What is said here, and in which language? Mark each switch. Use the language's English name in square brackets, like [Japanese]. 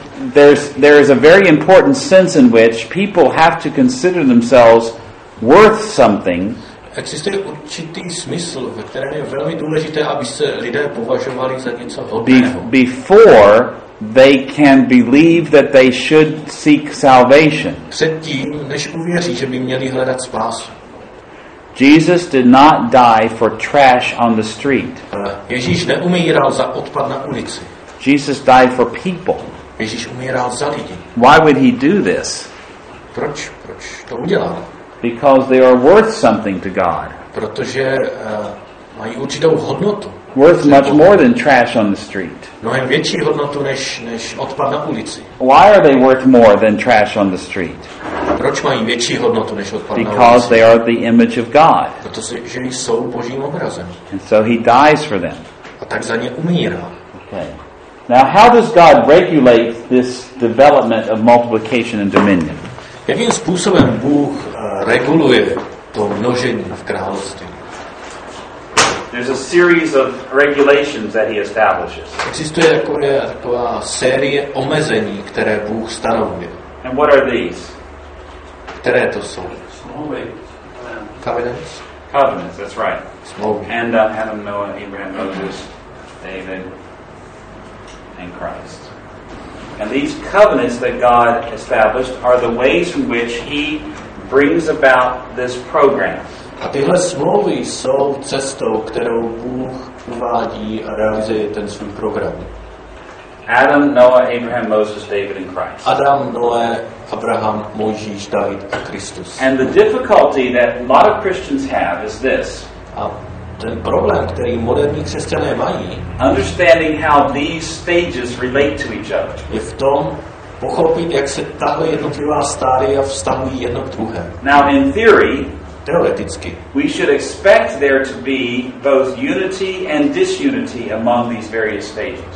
[English] There is a very important sense in which people have to consider themselves worth something. [Czech] Existuje určitý smysl, ve kterém je velmi důležité, aby se lidé považovali za něco hodného. [English] Before they can believe that they should seek salvation. [Czech] Předtím, než uvěří, že by měli hledat spásu. [English] Jesus did not die for trash on the street. [Czech] Ježíš neumíral za odpad na ulici. [English] Jesus died for people. [Czech] Ježíš umíral za lidi. [English] Why would he do this? [Czech] Proč? Proč to udělal? [English] Because they are worth something to God. [Czech] Protože mají určitou hodnotu. [English] Worth much more than trash on the street. [Czech] Mnohem větší hodnotu než odpad na ulici. [English] Why are they worth more than trash on the street? [Czech] Proč mají větší hodnotu než odpad na ulici? [English] Because they are the image of God. [Czech] Protože jsou Božím obrazem. [English] And so he dies for them. [Czech] A tak za ně umírá. [English] Okay. Now how does God regulate this development of multiplication and dominion? [Czech] Jakým způsobem Bůh reguluje to množení v království? [English] There's a series of regulations that he establishes. [Czech] Existuje taková série omezení, které Bůh stanovuje. [English] And what are these? [Czech] Které to jsou? [English] Covenants. Covenants, that's right. And Adam, Noah, Abraham, Moses, David, and Christ. And these covenants that God established are the ways in which he brings about this program. [Czech] A tyhle smlouvy jsou cestou, kterou Bůh uvádí a realizuje ten svůj program. [English] Adam, Noah, Abraham, Moses, David and Christ. [Czech] Adam, Noé, Abraham, Mojžíš, David a Kristus. [English] And the difficulty that a lot of Christians have is this. [Czech] A ten problém, který moderní křesťané mají, [English] understanding how these stages relate to each other. [Czech] Je v tom pochopit, jak se tahle jednotlivá stádia vztahují jedno k druhému. [English] Now in theory, [Czech] teoreticky, [English] we should expect there to be both unity and disunity among these various stages.